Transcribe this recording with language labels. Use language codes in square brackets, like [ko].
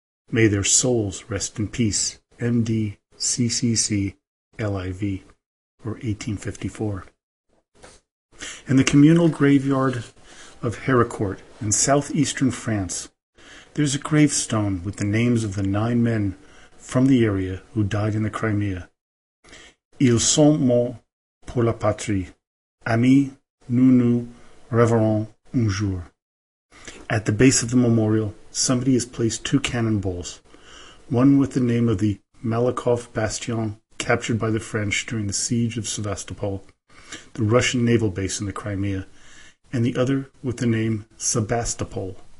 [en] May their souls rest in peace, M.D. C.C.C. L.I.V. or 1854. In the communal graveyard of Héricourt in southeastern France, there's a gravestone with the names of the nine men from the area who died in the Crimea. [fr] Ils sont morts pour la patrie. Amis, nous nous reverrons un jour. [en] At the base of the memorial, somebody has placed two cannonballs, one with the name of the Malakoff Bastion, captured by the French during the siege of Sevastopol, the Russian naval base in the Crimea, and the other with the name Sebastopol.